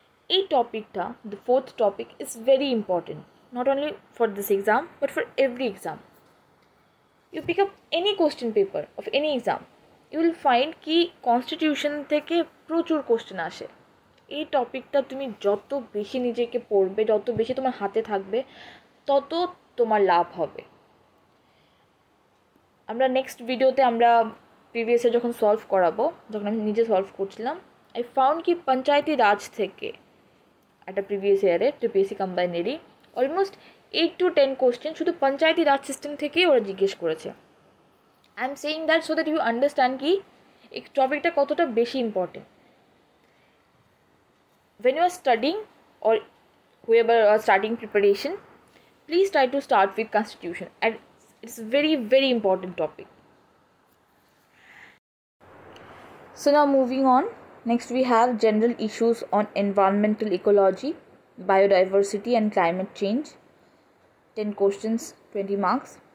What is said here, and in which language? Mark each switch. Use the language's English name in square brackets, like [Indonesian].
[English] A topic, the fourth topic, is very important. Not only for this exam, but for every exam. You pick up any question paper of any exam, you will find [Bangla] ki constitution theke prochur question ashe. এই টপিকটা তুমি যত বেশি নিজেকে পড়বে, যত বেশি তোমার হাতে থাকবে, তত তোমার লাভ হবে. আমরা নেক্সট ভিডিওতে আমরা প্রিভিয়াসে যখন সলভ করাবো, যখন আমি নিজে সলভ করছিলাম, [English] I found [Bangla] কি পঞ্চায়েতি রাজ থেকে একটা প্রিভিয়াস ইয়ারে টিপিএসসি কম্বাইনেরই অলমোস্ট 8 to 10 কোশ্চেন শুধু পঞ্চায়েতি রাজ সিস্টেম থেকেই ওরা জিজ্ঞেস করেছে. [English] I am saying that so that you understand [Bangla] কি এই টপিকটা কতটা বেশি important. [English] When you are studying or whoever are starting preparation, please try to start with constitution, and it's very very important topic. So now moving on, next we have general issues on environmental ecology, biodiversity and climate change, 10 questions, 20 marks.